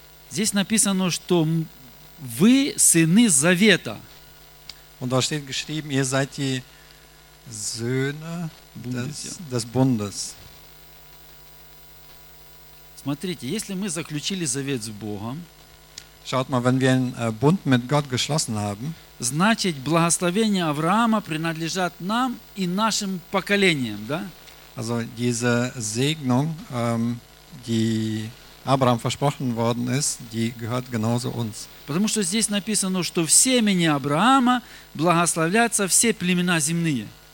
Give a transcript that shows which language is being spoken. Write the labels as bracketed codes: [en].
[ru] Здесь написано, что вы сыны завета. [de] Und da steht geschrieben, ihr seid die Söhne des Bundes. [ru] Смотрите, если мы заключили завет с Богом, [de] schaut mal, wenn wir einen Bund mit Gott geschlossen haben, [ru] значит, благословения Авраама принадлежат нам и нашим поколениям, да? [de] Also diese Segnung, die Abraham versprochen worden ist, die gehört genauso uns. [ru] Потому что здесь написано, что в семени Авраама благословляются все племена земные.